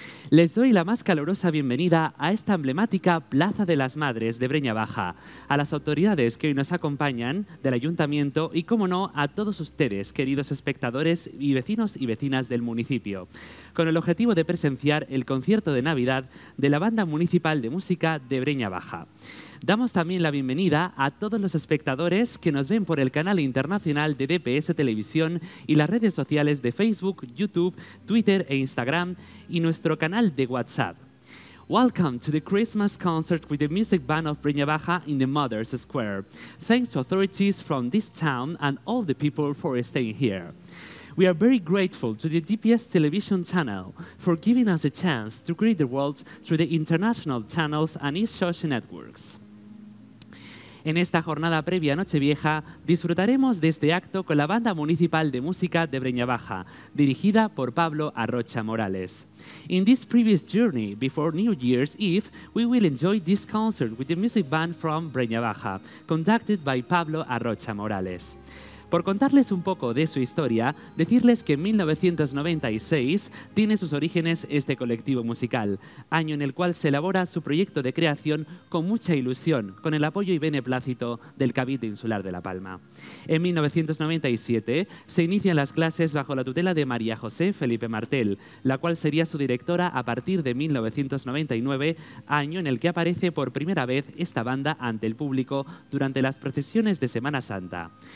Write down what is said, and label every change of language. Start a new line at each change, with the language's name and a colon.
Spanish: Les doy la más calurosa bienvenida a esta emblemática Plaza de las Madres de Breña Baja, a las autoridades que hoy nos acompañan del Ayuntamiento y, como no, a todos ustedes, queridos espectadores y vecinos y vecinas del municipio, con el objetivo de presenciar el concierto de Navidad de la Banda Municipal de Música de Breña Baja. Damos también la bienvenida a todos los espectadores que nos ven por el canal internacional de BPS Televisión y las redes sociales de Facebook, YouTube, Twitter e Instagram y nuestro canal de WhatsApp.
English: Welcome to the Christmas concert with the Music Band of Breña Baja in the Mother's Square. Thanks to authorities from this town and all the people for staying here. We are very grateful to the DPS Television Channel for giving us a chance to greet the world through the international channels and its social networks.
Spanish: En esta jornada previa a Nochevieja, disfrutaremos de este acto con la Banda Municipal de Música de Breña Baja, dirigida por Pablo Arrocha Morales.
English: In this previous journey, before New Year's Eve, we will enjoy this concert with the music band from Breña Baja, conducted by Pablo Arrocha Morales.
Spanish: Por contarles un poco de su historia, decirles que en 1996 tiene sus orígenes este colectivo musical, año en el cual se elabora su proyecto de creación con mucha ilusión, con el apoyo y beneplácito del Cabildo Insular de La Palma. En 1997 se inician las clases bajo la tutela de María José Felipe Martel, la cual sería su directora a partir de 1999, año en el que aparece por primera vez esta banda ante el público durante las procesiones de Semana Santa.